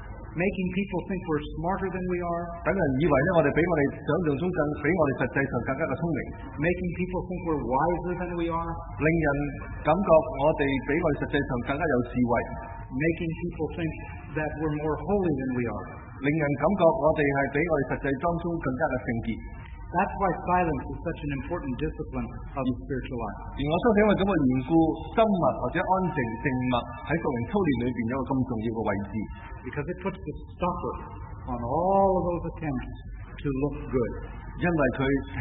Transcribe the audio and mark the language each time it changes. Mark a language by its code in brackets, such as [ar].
[en] Making people think we're smarter than we are. [yue] 等人以为咧，我哋比我哋想象中更，比我哋实际上更加嘅聪明。 [en] Making people think we're wiser than we are. [yue] 令人感觉我哋比我哋实际上更加有智慧。 [en] Making people think that we're more holy than we are. [yue] 令人感觉我哋系比我哋实际当中更加嘅圣洁。 [en] That's why silence is such an important discipline of the spiritual life. [yue] 而我相信因为咁嘅缘故，沉默或者安静静默喺属灵操练里边有个咁重要嘅位置。 [en] Because it puts the stopper on all of those attempts to look good.